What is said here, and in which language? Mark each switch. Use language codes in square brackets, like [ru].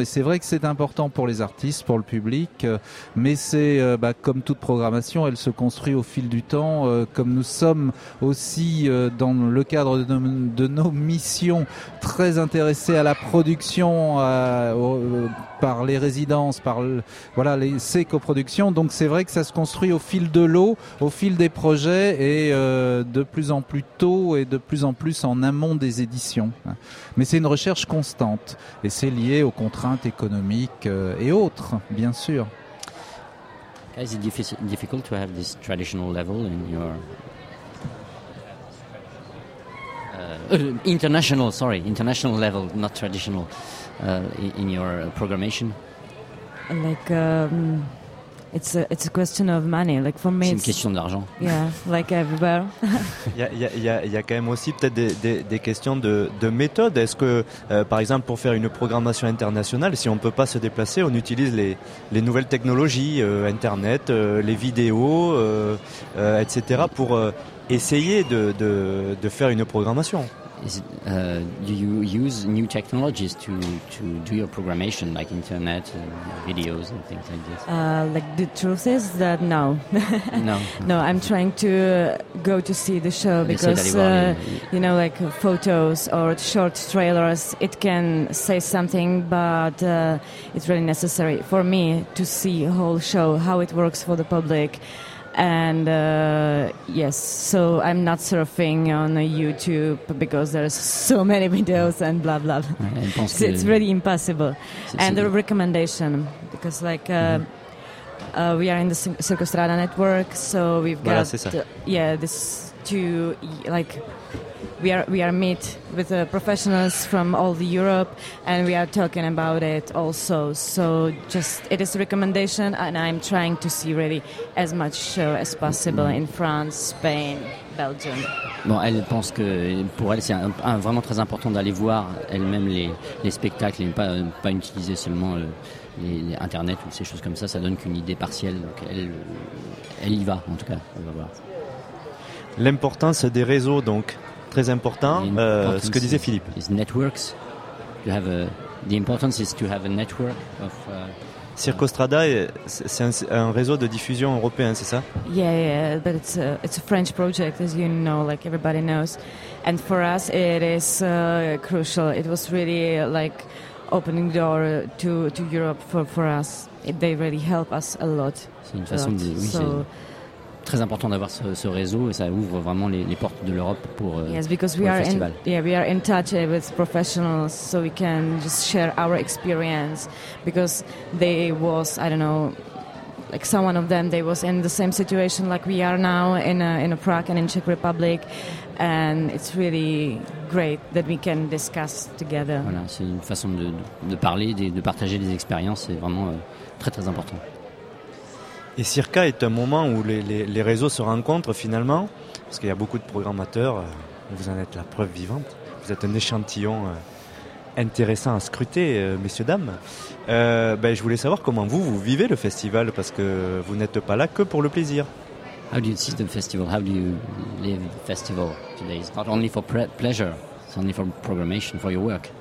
[fr] Et c'est vrai que c'est important pour les artistes, pour le public, mais c'est comme toute programmation, elle se construit au fil du temps, comme nous sommes aussi dans le cadre de nos missions très intéressés à la production par les résidences, ces coproductions. Donc c'est vrai que ça se construit au fil de l'eau, au fil des projets, et de plus en plus tôt et de plus en plus en amont des éditions. Mais c'est une recherche constante et c'est lié aux contraintes économiques et autres, bien sûr. [en] Is it difficult to have this traditional level in your international level, not traditional, in your programmation? Like it's a question of money. Like for me, [fr] c'est une question d'argent. [en] Yeah, like everywhere. [fr] Il y a quand même aussi peut-être des questions de méthode. Est-ce que, par exemple, pour faire une programmation internationale, si on peut pas se déplacer, on utilise les nouvelles technologies, Internet, les vidéos, etc. pour essayer de faire une programmation. [en] Do you use new technologies to do your programmation, like internet, videos, and things like this? Like the truth is that no. No. No, I'm trying to go to see the show because you know, like photos or short trailers, it can say something, but it's really necessary for me to see a whole show, how it works for the public. And yes, so I'm not surfing on YouTube because there's so many videos and blah blah. It's really impossible. And the recommendation, because like we are in the Circo Strada network, so we've got we are meet with professionals from all the Europe, and we are talking about it also. So just it is a recommendation, and I'm trying to see really as much show as possible in France, Spain, Belgium. [fr] Bon, elle pense que pour elle c'est vraiment très important d'aller voir elle-même les spectacles et pas utiliser seulement les internet ou ces choses comme ça. Ça donne qu'une idée partielle. Donc elle y va en tout cas. Elle va voir. L'importance des réseaux donc. Très important, ce que disait Philippe. [en] Is networks. You have the importance is to have a network of. [fr] Circo Strada, c'est un réseau de diffusion européen, c'est ça? [en] Yeah, but it's a French project, as you know, like everybody knows. And for us, it is crucial. It was really like opening door to Europe for us. They really help us a lot. [fr] C'est une façon de. Oui, so, très important d'avoir ce réseau et ça ouvre vraiment les portes de l'Europe pour [en] yes, because [fr] pour [en] we are festival. In, yeah, we are in touch with professionals, so we can just share our experience. Because they was, I don't know, like someone of them, they was in the same situation like we are now in Prague and in Czech Republic, and it's really great that we can discuss together. [fr] Voilà, c'est une façon de parler, de partager des expériences. C'est vraiment très très important. Et Circa est un moment où les réseaux se rencontrent finalement, parce qu'il y a beaucoup de programmateurs, vous en êtes la preuve vivante, vous êtes un échantillon intéressant à scruter, messieurs, dames. Je voulais savoir comment vous vivez le festival, parce que vous n'êtes pas là que pour le plaisir. [en] How do you see the festival? How do you live the festival today? It's not only for pleasure, it's only for programmation, for your work.